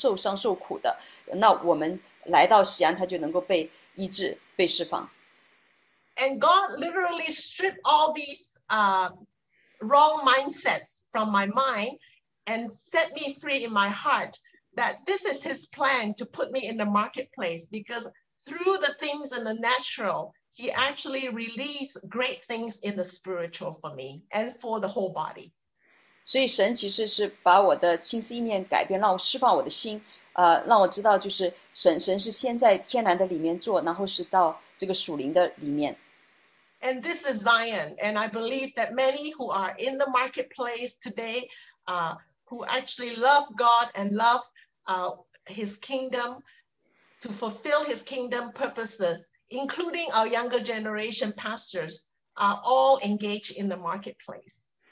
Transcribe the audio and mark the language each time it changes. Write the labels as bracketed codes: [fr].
[zh] 所以锡安其实被呼召就是成为一个避难所，为着那些受伤受苦的，那我们。来到西安，他就能够被医治、被释放。 [en] And God literally stripped all these wrong mindsets from my mind and set me free in my heart that this is His plan to put me in the marketplace because through the things in the natural, He actually released great things in the spiritual for me and for the whole body. [zh] 所以神其实是把我的心思意念改变，让我释放我的心。让我知道，就是神是先在天然的里面做，然后是到这个属灵的里面。 [en] And this is Zion, and I believe that many who are in the marketplace today, who actually love God and love His kingdom, to fulfill His kingdom purposes, including our younger generation pastors, are all engaged in the marketplace.